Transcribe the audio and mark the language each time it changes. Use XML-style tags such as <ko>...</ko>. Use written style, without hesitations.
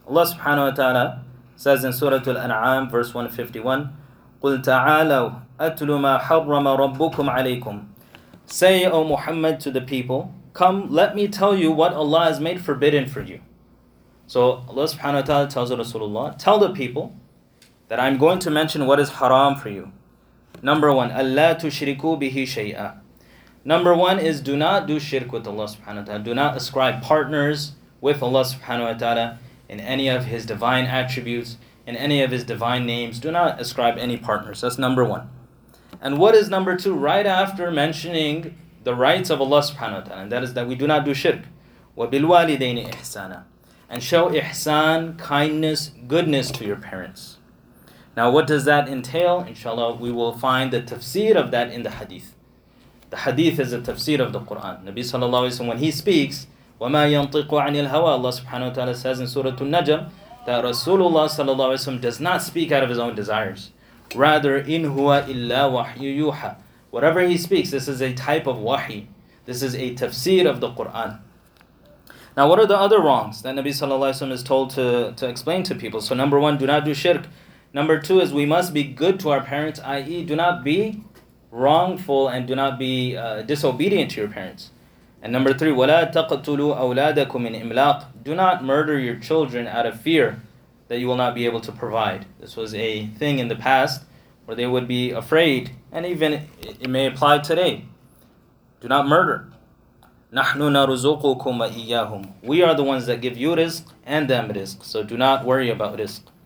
<en>Allah subhanahu wa ta'ala says in Surah Al-An'am, verse 151,</en> <ar>قُلْ تَعَالَوْا أَتْلُ مَا حَرَّمَ رَبُّكُمْ عَلَيْكُمْ.</ar> <en>Say, O Muhammad, to the people, come, let me tell you what Allah has made forbidden for you. So Allah subhanahu wa ta'ala tells Rasulullah, tell the people that I'm going to mention what is haram for you. Number one,</en> <ar>أَلَّا تُشْرِكُوا بِهِ شَيْئًا.</ar> <en>Number one is, do not do shirk with Allah subhanahu wa ta'ala. Do not ascribe partners with Allah subhanahu wa ta'ala in any of His divine attributes, in any of His divine names. Do not ascribe any partners. That's number one. And what is number two? Right after mentioning the rights of Allah subhanahu wa ta'ala, and that is that we do not do shirk.</en> <ar>وَبِالْوَالِدَيْنِ إِحْسَانًا.</ar> <en>And show ihsan, kindness, goodness to your parents. Now what does that entail? Inshallah, we will find the tafsir of that in the hadith. The hadith is a tafsir of the Quran. Nabi sallallahu alayhi wa sallam, when he speaks,</en> <ar>وَمَا يَنطِقُ عَنِ الْهَوَىٰ,</ar> <en>Allah subhanahu wa ta'ala says in Surah An-Najm that Rasulullah sallallahu alayhi wa sallam does not speak out of his own desires. Rather,</en> <ar>إِنْ هُوَ إِلَّا وَحْيُّ يُوحَىٰ.</ar> <en>Whatever he speaks, this is a type of wahi. This is a tafsir of the Quran. Now what are the other wrongs that Nabi sallallahu alayhi wa sallam is told to explain to people? So number one, do not do shirk. Number two is, we must be good to our parents, i.e. do not be wrongful and do not be disobedient to your parents. And number three,</en> <ar>وَلَا تَقْتُلُوا أَوْلَادَكُمْ مِنْ إِمْلَاقٍ.</ar> <en>Do not murder your children out of fear that you will not be able to provide. This was a thing in the past where they would be afraid, and even it may apply today. Do not murder.</en> <ar>نَحْنُ نَرُزُقُكُمْ وَإِيَّاهُمْ.</ar> <en>We are the ones that give you risk and them risk. So do not worry about risk.</en>